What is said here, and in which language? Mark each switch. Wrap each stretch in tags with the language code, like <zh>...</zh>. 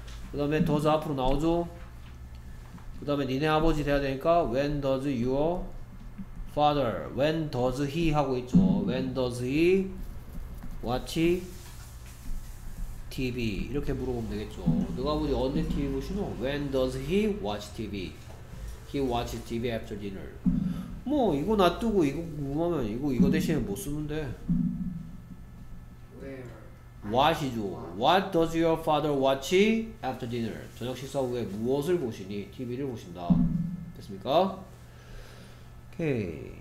<ko>그 다음에 더즈 앞으로 나오죠? 그 다음에 니네 아버지 돼야 되니까</ko> <en>when does your father, when does he</en> <ko>하고 있죠.</ko> <en>when does he watch TV</en> <ko>이렇게 물어보면 되겠죠. 너가 아버지 언제 TV 보시노?</ko> <en>when does he watch TV, he watches TV after dinner.</en> <ko>뭐 이거 놔두고 이거 궁금하면 이거 대신에 못 쓰면 돼.</ko> <en>watch이죠. What does your father watch after dinner?</en> <ko>저녁 식사 후에 무엇을 보시니? TV를 보신다. 됐습니까? 오케이.</ko>